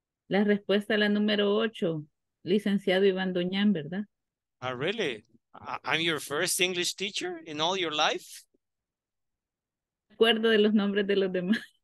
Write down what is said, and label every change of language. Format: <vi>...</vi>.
<es>La respuesta a la número 8, licenciado Iván Doñán, ¿verdad?</es> <en>Ah, really? I'm your first English teacher in all your life?</en> <es>Me acuerdo de los nombres de los demás.</es>